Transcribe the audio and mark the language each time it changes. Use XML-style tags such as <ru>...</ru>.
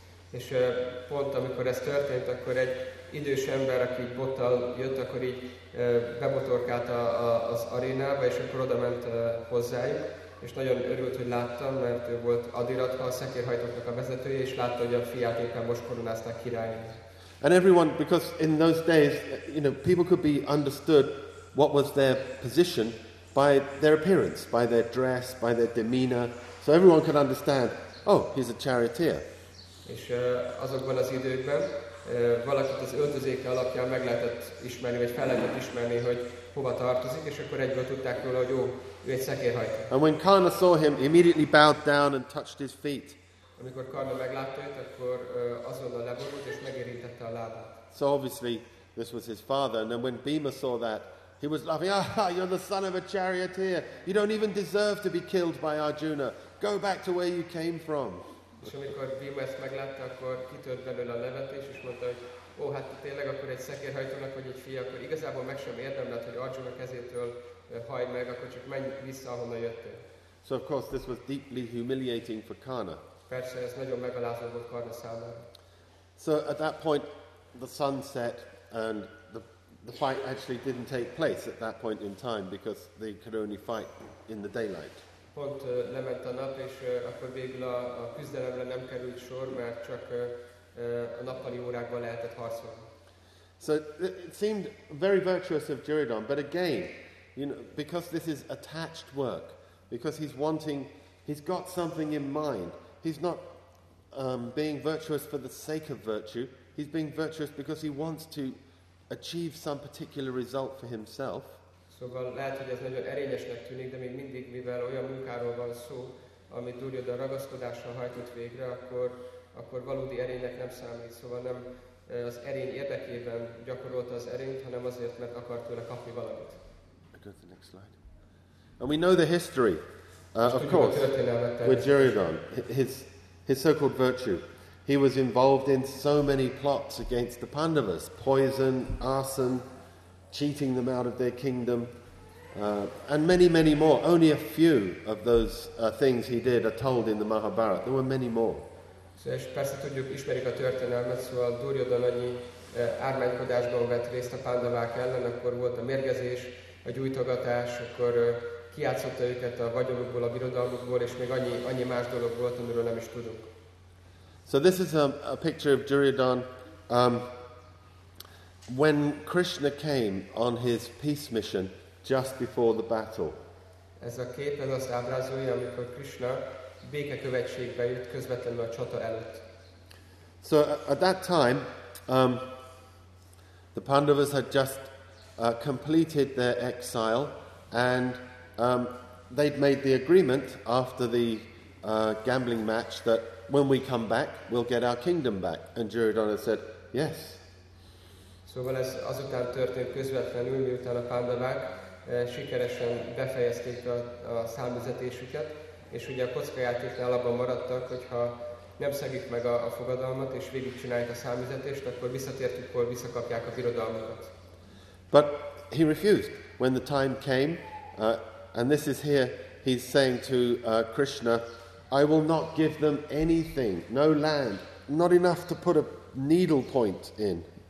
<hu>És pont amikor ez történt, akkor egy idős ember, aki bottal jött, akkor így bemotorkált az arénába, és akkor oda ment hozzájuk, és nagyon örült, hogy láttam, mert ő volt Adirat, a szekérhajtóknak a vezetője, és látta, hogy a fiát éppen most koronázták királyát.</hu> <en>And everyone, because in those days, you know, people could be understood what was their position by their appearance, by their dress, by their demeanor. So everyone could understand, oh, he's a charioteer.</en> <hu>És azokban az időkben valakit az öltözéke alapján meg lehetett ismerni, vagy fel lehetett ismerni, hogy hova tartozik, és akkor egyből tudták róla, hogy jó, ő egy szekérhajtó.</hu> <en>And when Karna saw him, he immediately bowed down and touched his feet.</en> <hu>Amikor Karna meglátta őt, akkor azonnal leborult és megérintette a lábát.</hu> <en>So obviously this was his father, and then when Bhima saw that, he was laughing, ah, you're the son of a charioteer. You don't even deserve to be killed by Arjuna. Go back to where you came from.</en> <hu>És amikor Bhima ezt meglátta, akkor kitört belőle a nevetés, és mondta, hogy ó, hát tényleg akkor egy szekérhajtónak vagy egy fia, akkor igazából meg sem érdemled, hogy Arjuna kezétől hajd meg, akkor csak menj vissza, ahonnan jöttél.</hu> <en>So of course this was deeply humiliating for Karna.</en> <hu>Persze, ez nagyon megalázó volt Karna számára.</hu> <en>So at that point, the sun set, and the fight actually didn't take place at that point in time because they could only fight in the daylight.</en> <hu>Pont lement a nap, és akkor végül a küzdelemre nem került sor, mert csak a nappali órákban lehetett harcolni.</hu> <en>So it seemed very virtuous of Duryodhan, but again, you know, because this is attached work, because he's got something in mind. He's not being virtuous for the sake of virtue. He's being virtuous because he wants to achieve some particular result for himself.</en> <hu>Szóval lehet, hogy ez nagyon erényesnek tűnik, de még mindig, mivel olyan munkáról van szó, amit Duryodhan ragaszkodással hajtott végre, akkor valódi erénynek nem számít. Szóval nem az erény érdekében gyakorolta az erényt, hanem azért, mert akart tőle kapni valamit.</hu> <en>I go to the next slide. And we know the history, of course, with Duryodhan, his so-called virtue. He was involved in so many plots against the Pandavas. Poison, arson, cheating them out of their kingdom, and many, many more. Only a few of those things he did are told in the Mahabharata. There were many more.</en> <hu>És persze tudjuk, ismerik a történelmet, szóval Duryodhan annyi ármánykodásban vett részt a Pandavák ellen, akkor volt a mérgezés, a gyújtogatás, akkor kijátszotta őket a vagyonukból, a birodalmukból, és még annyi más dolog volt, amiről nem is tudunk.</hu> <en>So this is a picture of Duryodhan. When Krishna came on his peace mission just before the battle.</en> <hu>Ez a kép az azt ábrázolja, amikor Krishna békekövetségbe jött közvetlenül a csata előtt.</hu> <en>So at that time, the Pandavas had just completed their exile, and they'd made the agreement after the gambling match that when we come back, we'll get our kingdom back. And Duryodhana said, yes.</en> <hu>Szóval ez azután történt közvetlenül, miután a Pandavák sikeresen befejezték a számüzetésüket, és ugye a kockajátéknál abban maradtak, hogyha nem szegik meg a fogadalmat és végig csinálják a számüzetést, akkor visszatértük, hol visszakapják a birodalmukat.</hu> <en>But he refused when the time came, and this is here he's saying to Krishna, I will not give them anything, no land, not enough to put a needle point in.</en>